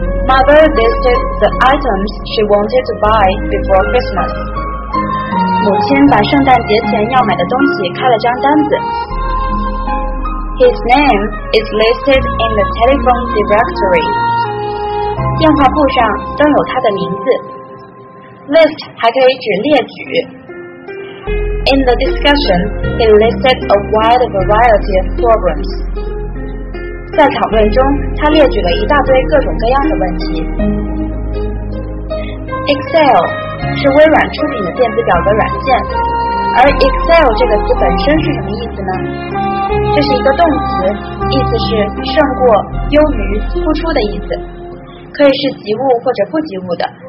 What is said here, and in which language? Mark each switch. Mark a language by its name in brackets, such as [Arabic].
[English] Mother listed the items she wanted to buy before Christmas. [Chinese] 母亲把圣诞节前要买的东西开了张单子。 [English] His name is listed in the telephone directory. [Chinese] 电话簿上都有他的名字。 List 还可以指列举。 [English] In the discussion, he listed a wide variety of problems. [Chinese] 在讨论中，他列举了一大堆各种各样的问题。 Excel是微软出品的电子表格软件，而 Excel 这个词本身是什么意思呢？这是一个动词，意思是胜过、优于、突出的意思，可以是及物或者不及物的。